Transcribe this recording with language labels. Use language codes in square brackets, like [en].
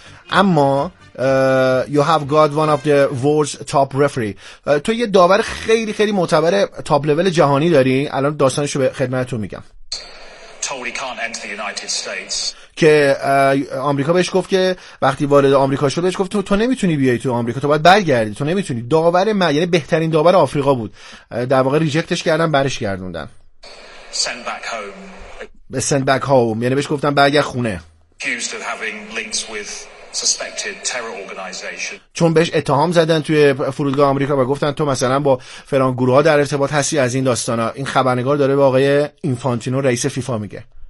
[en] اما you have got one of the world's top referee. [fa] تو یه داور خیلی خیلی معتبر تاپ لول جهانی داری. الان داستانشو به خدمتتون میگم. [en] Totally can't enter the United States. [fa] که آمریکا بهش گفت که وقتی وارد آمریکا شد بهش گفت تو نمیتونی بیای تو آمریکا، تو باید برگردی، تو نمیتونی. داور من، یعنی بهترین داور آفریقا بود، در واقع ریجکتش کردن، برش گردوندن. [en] Send back home. [fa] به [en] send back home، [fa] یعنی بهش گفتن برگرد خونه. [en] Accused of having links with suspected terror organization. [fa] چون بهش اتهام زدن توی فرودگاه آمریکا و گفتن تو مثلا با فلان گروه ها در ارتباط هستی، از این داستانا. این خبرنگار داره به آقای اینفانتینو رئیس فیفا میگه.